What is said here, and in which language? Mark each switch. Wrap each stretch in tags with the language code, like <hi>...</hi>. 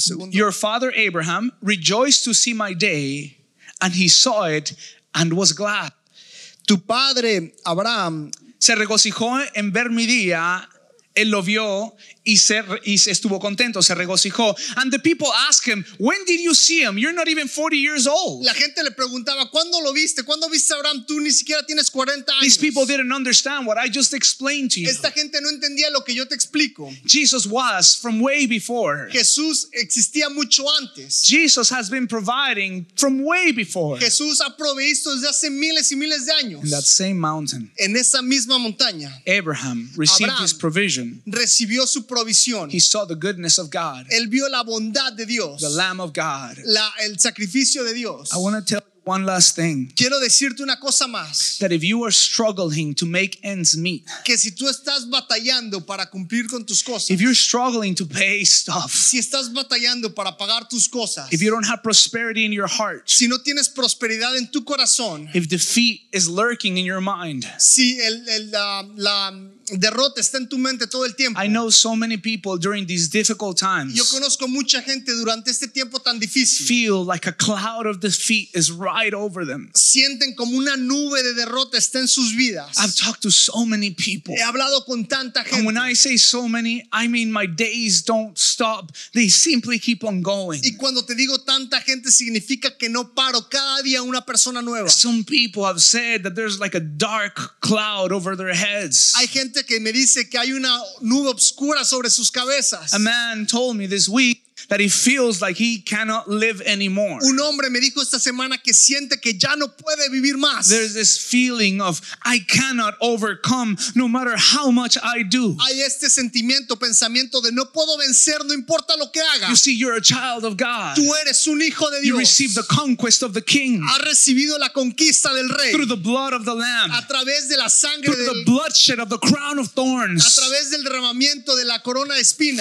<en>Your father Abraham rejoiced to see my day, and he saw it and was glad.</en> <es>Tu padre Abraham se regocijó en ver mi día. Él lo vio y estuvo contento, se regocijó.</es> <en>And the people ask him, when did you see him? You're not even 40 years old.</en> <es>La gente le preguntaba, ¿cuándo lo viste? ¿Cuándo viste a Abraham? Tú ni siquiera tienes 40 años.</es> <en>These people didn't understand what I just explained to you.</en> <es>Esta gente no entendía lo que yo te explico.</es> <en>Jesus was from way before.</en> <es>Jesús existía mucho antes.</es> <en>Jesus has been providing from way before.</en> <es>Jesús ha proveído desde hace miles y miles de años.</es> <en>In that same mountain.</en> <es>En esa misma montaña.</es> <en>Abraham received his provision.</en> <es>Recibió su provisión.</es> <en>He saw the goodness of God.</en> <es>Él vio la bondad de Dios.</es> <en>The Lamb of God.</en> <es>El sacrificio de Dios.</es> <en>I want to tell you one last thing.</en> <es>Quiero decirte una cosa más.</es> <en>That if you are struggling to make ends meet.</en> <es>Que si tú estás batallando para cumplir con tus cosas.</es> <en>If you're struggling to pay stuff.</en> <es>Si estás batallando para pagar tus cosas.</es> <en>If you don't have prosperity in your heart.</en> <es>Si no tienes prosperidad en tu corazón.</es> <en>If defeat is lurking in your mind.</en> <es>Si la derrota está en tu mente todo el tiempo.</es> <en>I know so many people during these difficult times.</en> <es>Yo conozco mucha gente durante este tiempo tan difícil.</es> <en>Feel like a cloud of defeat is right over them.</en> <es>Sienten como una nube de derrota está en sus vidas.</es> <en>I've talked to so many people.</en> <es>He hablado con tanta gente.</es> <en>And when I say so many, I mean my days don't stop. They simply keep on going.</en> <es>Y cuando te digo tanta gente significa que no paro cada día una persona nueva.</es> <en>Some people have said that there's like a dark cloud over their heads.</en> <es>Hay gente que me dice que hay una nube oscura sobre sus cabezas.</es> <en>A man told me this week that he feels like he cannot live anymore.</en> <es>Un hombre me dijo esta semana que siente que ya no puede vivir más.</es> <en>There's this feeling of I cannot overcome no matter how much I do.</en> <es>Hay este sentimiento, pensamiento de no puedo vencer no importa lo que haga.</es> <en>You see, you're a child of God.</en> <es>Tú eres un hijo de Dios.</es> <en>You received the conquest of the King.</en> <es>Has recibido la conquista del rey.</es> <en>Through the blood of the Lamb.</en> <es>A través de la sangre</es> <en>Through the bloodshed of the crown of thorns.</en> <es>A través del derramamiento de la corona de espinas.</es>